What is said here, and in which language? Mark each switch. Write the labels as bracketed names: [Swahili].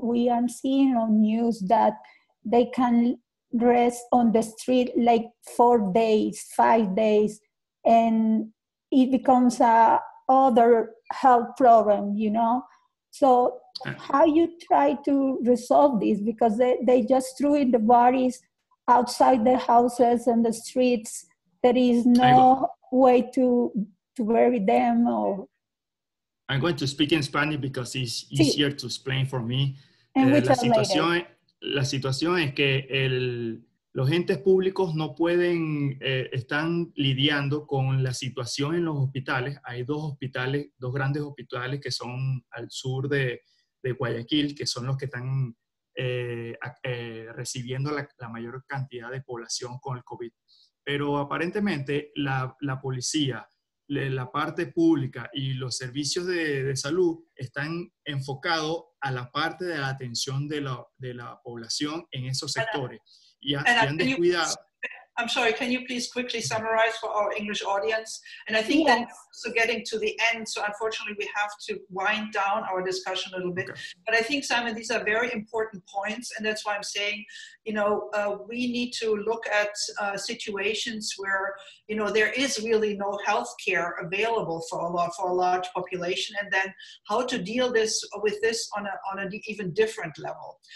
[English] We are seeing on news that they can rest on the street like 4 days, 5 days, and it becomes a other health problem, So how you try to resolve this? Because they just threw in the bodies outside the houses and the streets. There is no way to bury them or. I'm going to speak in Spanish because it's easier to explain for me. And we talk later. [Spanish] La situación es que los entes públicos no pueden, están lidiando con la situación en los hospitales. Hay dos grandes hospitales que son al sur de Guayaquil, que son los que están recibiendo la mayor cantidad de población con el COVID. Pero aparentemente la policía, la parte pública y los servicios de salud están enfocados a la parte de la atención de la población en esos sectores. Y han descuidado. [English] I'm sorry, can you please quickly summarize for our English audience? And I think that we're also getting to the end, so unfortunately we have to wind down our discussion a little bit. Okay. But I think, Simon, these are very important points, and that's why I'm saying, we need to look at situations where, there is really no healthcare available for a large population, and then how to deal with this on an even different level.